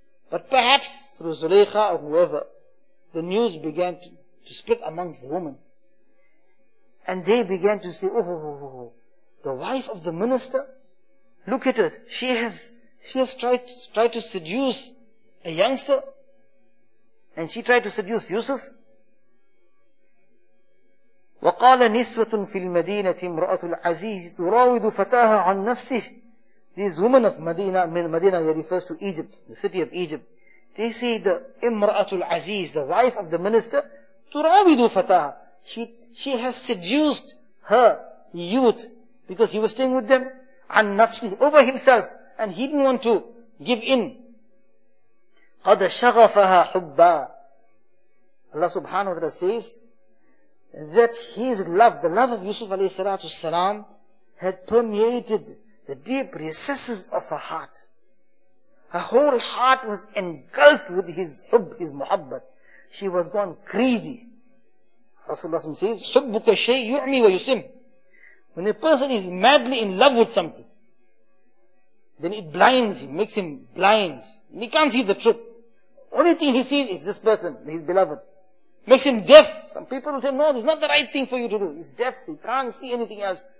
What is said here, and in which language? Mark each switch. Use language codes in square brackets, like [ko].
[en] But perhaps, through Zulaykha or whoever, the news began to spread amongst the women. And they began to say, oh, oh, oh, oh, oh, the wife of the minister? Look at her. She has tried to seduce a youngster. And she tried to seduce Yusuf. [ar] وقال نسوة في المدينة امرأة العزيز تراود فتاها عن نفسه. [en] These women of Medina, they refers to Egypt, the city of Egypt. They say the Imra'at al-Aziz, the wife of the minister, [ar] turawidu fataha. [en] She has seduced her youth because he was staying with them [ar] an nafsi [en] over himself and he didn't want to give in. [ar] Qad shaghafaha hubba. [en] Allah subhanahu wa ta'ala says that his love, the love of Yusuf alayhi salatu salam, had permeated the deep recesses of her heart. Her whole heart was engulfed with his hub, his muhabbat. She was gone crazy. Rasulullah says, [ar] حُبُّكَ شَيْءٍ يُعْمِي وَيُسِمْ. [en] When a person is madly in love with something, then it blinds him, makes him blind. And he can't see the truth. Only thing he sees is this person, his beloved. Makes him deaf. Some people will say, no, this is not the right thing for you to do. He's deaf, he can't see anything else.